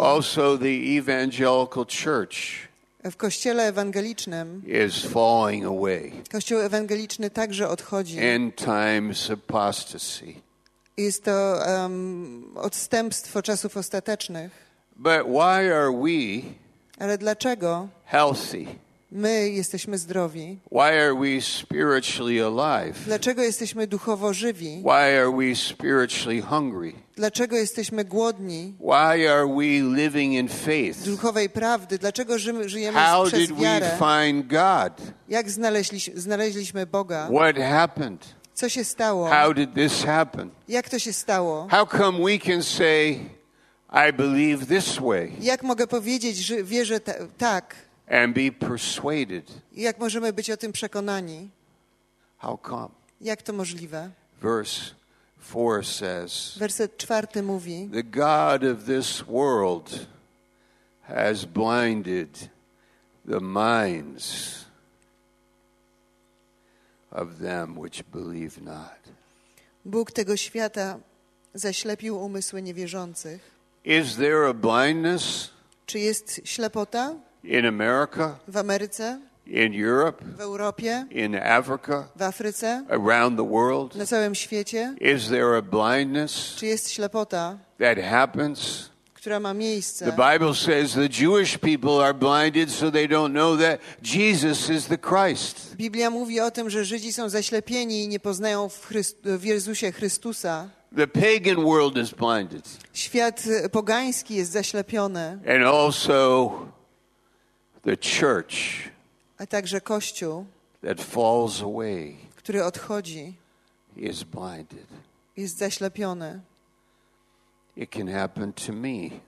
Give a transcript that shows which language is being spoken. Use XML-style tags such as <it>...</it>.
<en>Also the evangelical church.</en> <pl>W kościele ewangelicznym.</pl> <en>Is falling away.</en> <pl>Kościół ewangeliczny także odchodzi.</pl> <en>End times apostasy.</en> <pl>Jest to odstępstwo czasów ostatecznych.</pl> <en>But why are we?</en> <pl>Ale dlaczego?</pl> <en>Healthy.</en> <pl>My jesteśmy zdrowi.</pl> <en>Why are we spiritually alive?</en> <pl>Dlaczego jesteśmy duchowo żywi?</pl> <en>Why are we spiritually hungry?</en> <pl>Dlaczego jesteśmy głodni?</pl> <en>Why are we living in faith?</en> <pl>Duchowej prawdy. Dlaczego żyjemy</pl> <en>How</en> <pl>przez</pl> <en>did</en> <pl>wiarę?</pl> <en>We find God?</en> <pl>Jak znaleźliśmy Boga?</pl> <en>What happened?</en> <pl>Co się stało?</pl> <en>How did this happen?</en> <pl>Jak to się stało?</pl> <en>How come we can say I believe this way?</en> <pl>Jak mogę powiedzieć, że wierzę tak?</pl> <en>And be persuaded.</en> <pl>Jak możemy być o tym przekonani?</pl> <en>How come?</en> <pl>Jak to możliwe?</pl> <en>Verse 4 says.</en> <pl>Werset 4 mówi.</pl> <en>The God of this world has blinded the minds of them which believe not.</en> <pl>Bóg tego świata zaślepił umysły niewierzących.</pl> <en>Is there a blindness?</en> <pl>Czy jest ślepota?</pl> <en>In America,</en> <pl>w Ameryce,</pl> <en>in Europe,</en> <pl>w Europie,</pl> <en>in Africa,</en> <pl>w Afryce,</pl> <en>around the world,</en> <pl>na całym świecie,</pl> <en>is there a blindness</en> <pl>czy jest ślepota,</pl> <en>that happens</en> <pl>która ma miejsce.</pl> <en>The Bible says the Jewish people are blinded so they don't know that Jesus is the Christ.</en> <pl>Biblia mówi o tym, że Żydzi są zaślepieni i nie poznają w Jezusie Chrystusa.</pl> <en>The pagan world is blinded.</en> <pl>Świat pogański jest zaślepiony.</pl> <en>And also the church.</en> <pl>A także Kościół.</pl> <en>That falls away.</en> <pl>Który odchodzi.</pl> <en>Is blinded.</en> <pl>Jest zaślepiony.</pl> <en>It can happen to me.</en>